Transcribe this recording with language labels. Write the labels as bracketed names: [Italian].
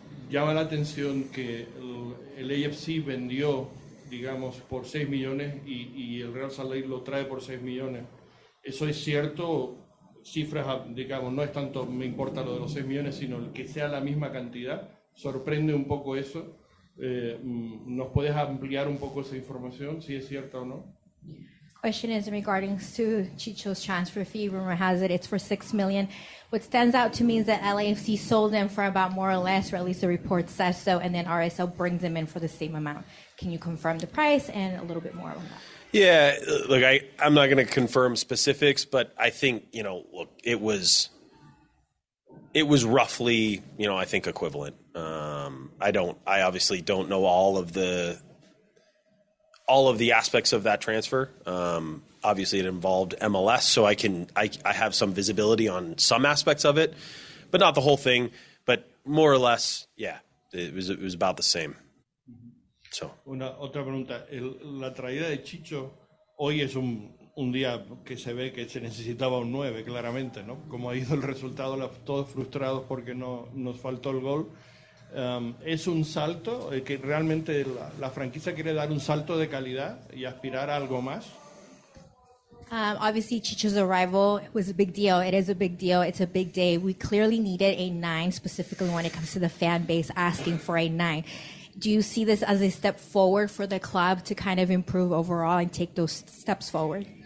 [Spanish] Llama la atención que el AFC vendió, digamos, por 6 millones y el Real Salt Lake lo trae por 6 millones. ¿Eso es cierto? Cifras, digamos, no es tanto, me importa lo de los 6 millones, sino el que sea la misma cantidad. ¿Sorprende un poco eso? ¿Nos puedes ampliar un poco esa información, si es cierta o no? [English] Question is in regards to Chicho's transfer fee. Rumor has it it's for $6 million. What stands out to me is that LAFC sold him for about more or less, or at least the report says so, and then RSL brings him in for the same amount. Can you confirm the price and a little bit more on that? Yeah, look, I'm not going to confirm specifics, but I think, you know, look, it was roughly, you know, I think equivalent. I obviously don't know all of the aspects of that transfer. Obviously it involved MLS, so I have some visibility on some aspects of it, but not the whole thing, but more or less, yeah, it was about the same. So [Spanish] una otra pregunta, la traída de Chicho hoy es un un día que se ve que se necesitaba un 9, claramente, ¿no? Como ha ido el resultado, todos frustrados porque no nos faltó el gol. Es un salto, que realmente la franquicia quiere dar un salto de calidad y aspirar a algo más. [English] Obviously, Chicho's arrival was a big deal. It is a big deal. It's a big day. We clearly needed a 9, specifically when it comes to the fan base asking for a 9. Do you see this as a step forward for the club to kind of improve overall and take those steps forward?